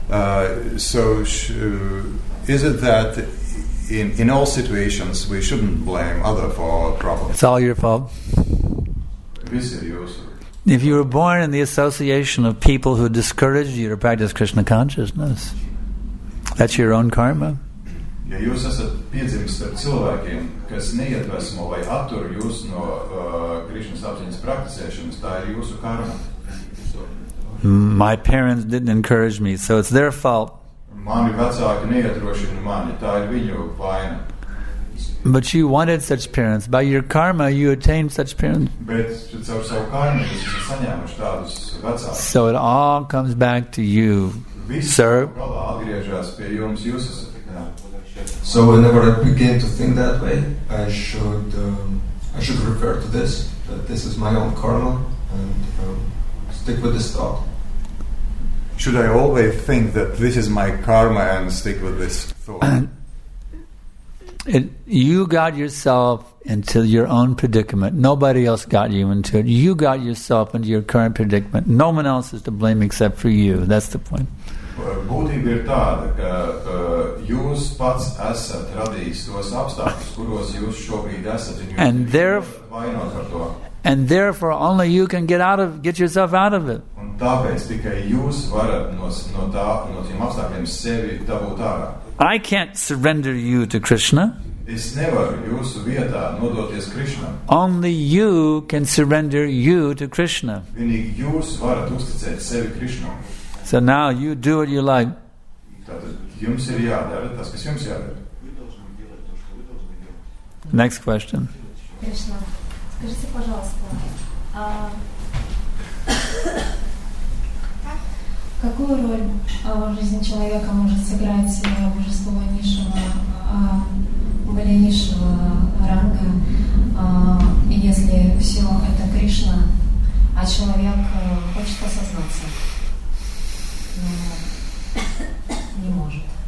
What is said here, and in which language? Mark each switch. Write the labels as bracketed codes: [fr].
[en] Is it that in all situations we shouldn't blame others for our problems? It's all your fault. If you were born in the association of people who discouraged you to practice Krishna consciousness, that's your own karma. [lv] Ja jūs esat piedzimis ar cilvēkiem, kas neiedvesmo vai attur jūs no Krišnas apziņas praktizēšanas, tā ir jūsu karma. [en] My parents didn't encourage me, so it's their fault. [lv] Mani vecāki neiedrošina mani, tā ir viņu vaina. [en] But you wanted such parents. By your karma, you attained such parents. [lv] Bet caur savu karmu jūs esat saņēmuši tādus vecākus. [en] So it all comes back to you, [lv] visu [en] sir. [lv] Problēma atgriežas pie jums, jūs esat. [en] So whenever I begin to think that way, I should refer to this, that this is my own karma, and stick with this thought. Should I always think that this is my karma and stick with this thought? You got yourself into your own predicament. Nobody else got you into it. You got yourself into your current predicament. No one else is to blame except for you. That's the point. Well, [lv] Būtība ir tāda, ka jūs pats esat radījis tos apstākļus, kuros jūs šobrīd esat, un jūs vainot ar to. [en] And therefore only you can get yourself out of it. [lv] Un tāpēc tikai jūs varat no tiem apstākļiem sevi dabūt ārā. [en] I can't surrender you to Krishna. [lv] Es nevaru jūsu vietā nodoties Krishnam. [en] Only you can surrender you to Krishna. [lv] Vienīgi jūs varat uzticēt sevi Krishnam. [en] So now you do what you like. [lv] Tātad jums ir jādara tas, kas jums jādara. [en] Next question. [ru] Krishna, скажите, пожалуйста, какую роль в жизни человека может сыграть божество низшего ранга, если все это Кришна, а человек хочет осознаться, но не может.